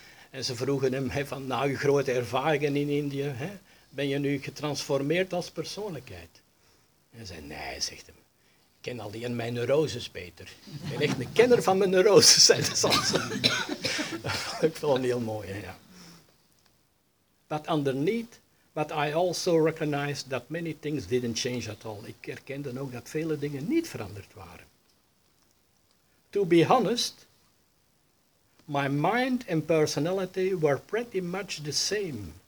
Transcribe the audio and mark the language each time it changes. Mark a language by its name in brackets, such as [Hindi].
[Dutch] En ze vroegen hem, hè, van, na uw grote ervaringen in India, hè, ben je nu getransformeerd als persoonlijkheid? En hij zei, nee, zegt hem. Ik ken al die en mijn neuroses beter. Ik ben echt een kenner van mijn neuroses, zei de Sansen. Ik vond het heel mooi, ja. [English] But underneath, but I also recognized that many things didn't change at all. [Dutch] Ik herkende ook dat vele dingen niet veranderd waren. [English] To be honest, my mind and personality were pretty much the same.